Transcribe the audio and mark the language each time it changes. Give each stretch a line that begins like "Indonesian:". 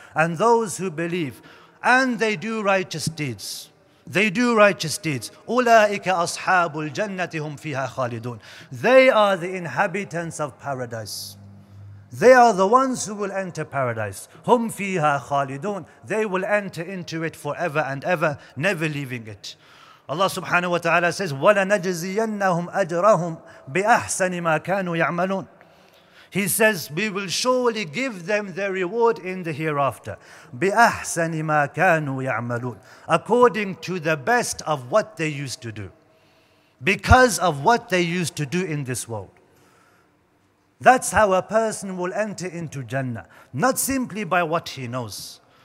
English: And those who believe and they do righteous deeds, they do righteous deeds.
Arabic: أُولَٰئِكَ أَصْحَابُ الْجَنَّةِ هُمْ فِيهَا خَالِدُونَ.
English: They are the inhabitants of paradise. They are the ones who will enter paradise.
Arabic: Hum fiha khalidun.
English: They will enter into it forever and ever, never leaving it. Allah subhanahu wa ta'ala says,
Arabic: وَلَنَجْزِيَنَّهُمْ أَجْرَهُمْ بِأَحْسَنِ مَا كَانُوا يَعْمَلُونَ.
English: He says, we will surely give them their reward in the hereafter.
Arabic: بِأَحْسَنِ مَا كَانُوا يَعْمَلُونَ.
English: According to the best of what they used to do. Because of what they used to do in this world. That's how a person will enter into Jannah. Not simply by what he knows.